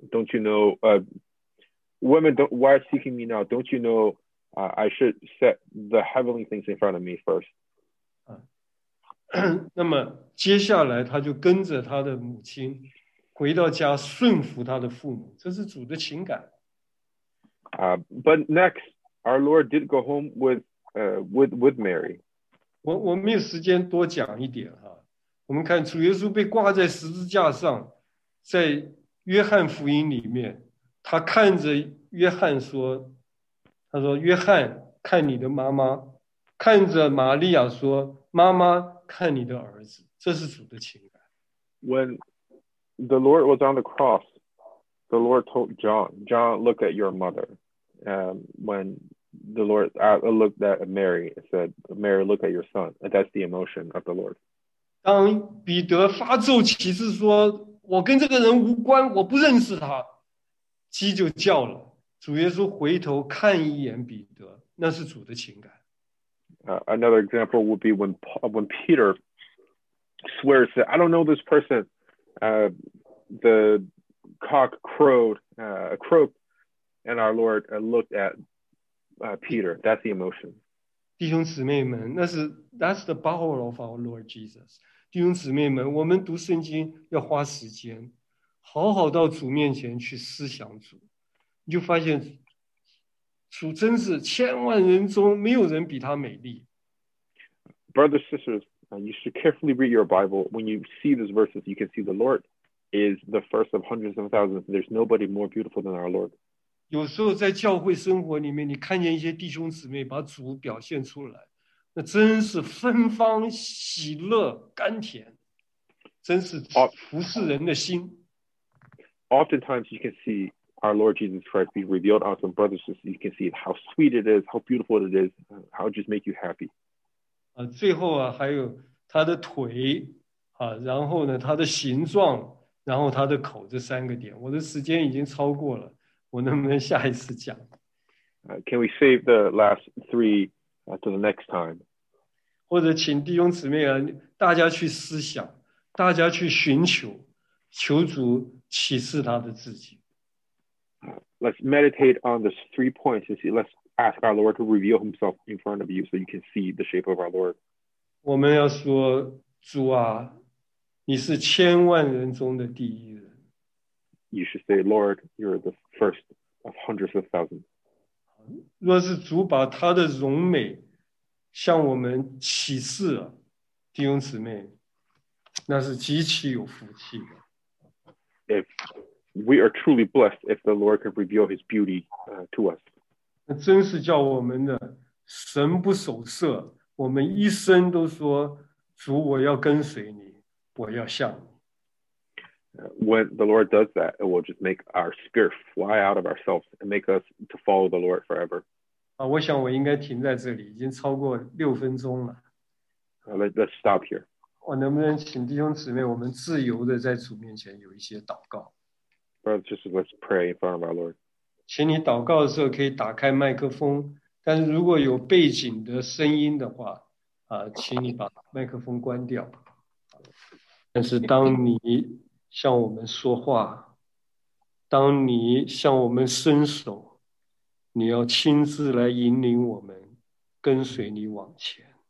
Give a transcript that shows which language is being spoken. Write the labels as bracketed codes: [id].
[en] Don't you know, why seeking me now? Don't you know I should set the heavenly things in front of me first? [zh] 那么接下来他就跟着他的母亲回到家顺服他的父母，这是主的情感。 [en] But next, our Lord did go home with Mary. [zh] 我没有时间多讲一点哈。我们看主耶稣被挂在十字架上，在约翰福音里面，他看着约翰说，他说，约翰，看你的妈妈，看着玛利亚说，妈妈，看你的儿子，这是主的情感。 [en] When the Lord was on the cross, the Lord told John, John, look at your mother. When the Lord looked at Mary, said, Mary, look at your son. And that's the emotion of the Lord. [zh] 当彼得发咒起誓说，我跟这个人无关，我不认识他，鸡就叫了。主耶稣回头看一眼彼得，那是主的情感。 [en] Another example would be when Peter swears that I don't know this person. The cock croaked, and our Lord looked at Peter. That's the emotion. [zh] 弟兄姊妹们，那是 [en] that's the power of our Lord Jesus. [zh] 弟兄姊妹们，我们读圣经要花时间，好好到主面前去思想主，你就发现。主真是千万人中没有人比他美丽。 [en] Brothers, sisters, you should carefully read your Bible. When you see these verses, you can see the Lord is the first of hundreds of thousands. There's nobody more beautiful than our Lord. [zh] 有时候在教会生活里面，你看见一些弟兄姊妹把主表现出来，那真是芬芳、喜乐、甘甜，真是服侍人的心。 [en] Oftentimes, you can see. Our Lord Jesus Christ be revealed on some brothers, so you can see how sweet it is, how beautiful it is, how it just make you happy. [zh] 最后啊，还有他的腿啊，然后呢，他的形状，然后他的口，这三个点。我的时间已经超过了，我能不能下一次讲？ [en] Can we save the last three to the next time? [zh] 或者请弟兄姊妹啊，大家去思想，大家去寻求，求主启示他的自己。 [en] Let's meditate on these three points and see. Let's ask our Lord to reveal Himself in front of you so you can see the shape of our Lord. [zh] 我们要说，主啊，你是千万人中的第一人。 [en] You should say, Lord, you're the first of hundreds of thousands. [zh] 若是主把他的荣美向我们启示了，弟兄姊妹，那是极其有福气的。 [en] If we are truly blessed if the Lord can reveal His beauty to us. [zh] 那真是叫我们的神不守舍，我们一生都说，主，我要跟随你，我要像你。 [en] When the Lord does that, it will just make our spirit fly out of ourselves and make us to follow the Lord forever. [zh] 我想我应该停在这里，已经超过六分钟了。 [en] Let's stop here. [zh] 我能不能请弟兄姊妹，我们自由的在主面前有一些祷告。 [en] Brothers, just let's pray in front of our Lord. [zh] 请你祷告的时候可以打开麦克风，但是如果有背景的声音的话，请你把麦克风关掉。但是当你向我们说话，当你向我们伸手，你要亲自来引领我们，跟随你往前。